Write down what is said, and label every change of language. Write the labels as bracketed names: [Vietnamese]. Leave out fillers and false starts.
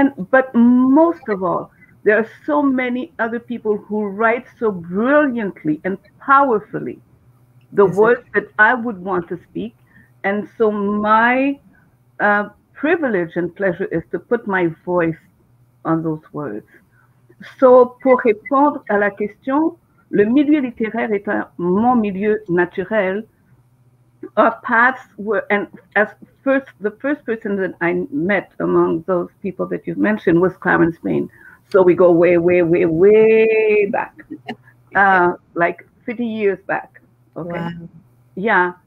[English] But most of all, there are so many other people who write so brilliantly and powerfully the words that I would want to speak. And so my privilege and pleasure is to put my voice on those words. [French] So pour répondre à la question, le milieu littéraire est mon milieu naturel. [English] Our paths were, and as first, the first person that I met among those people that you've mentioned was Clarence Mayne. So we go way, way, way, way back, like 50 years back. Okay. Wow. Yeah.